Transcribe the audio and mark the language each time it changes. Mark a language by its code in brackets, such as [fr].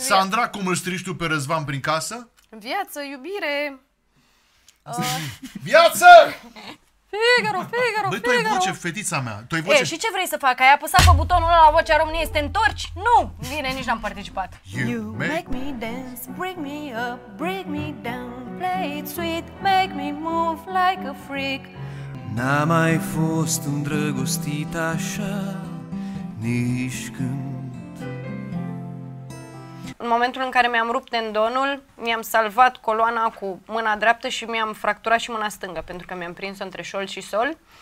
[ro] Sandra, cum îl strigi tu pe Răzvan prin casă? Viață, iubire! Viață! Figaro! Băi, tu ai voce, fetița mea. Tu ai voce... E, și ce vrei să fac? Ai apăsat pe butonul ăla la Vocea României, te întorci? Nu! Bine, nici n-am participat. [en] You make me dance, bring me up, bring me down, play it sweet, make me move like a freak. [ro] N-a mai fost îndrăgostit așa, nici când. În momentul în care mi-am rupt tendonul, mi-am salvat coloana cu mâna dreaptă și mi-am fracturat și mâna stângă, pentru că mi-am prins-o între șol și sol.